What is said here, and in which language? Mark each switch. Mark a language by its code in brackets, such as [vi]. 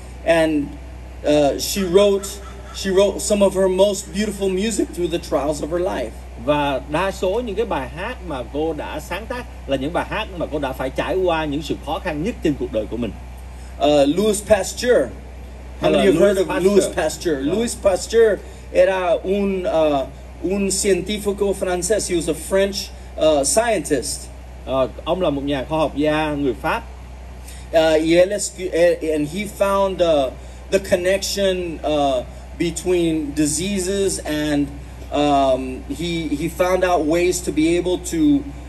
[en] And she wrote some of her most beautiful music through the trials of her life. [vi] Và đa số những cái bài hát mà cô đã sáng tác là những bài hát mà cô đã phải trải qua những sự khó khăn nhất trên cuộc đời của mình. [en] Louis Pasteur. How many of you have heard of Louis Pasteur? [es] Yeah. Louis Pasteur era un científico francés. [en] He was a French scientist. [vi] Ông là một nhà khoa học gia người Pháp. [en] And he found the connection between diseases and he found out ways to be able to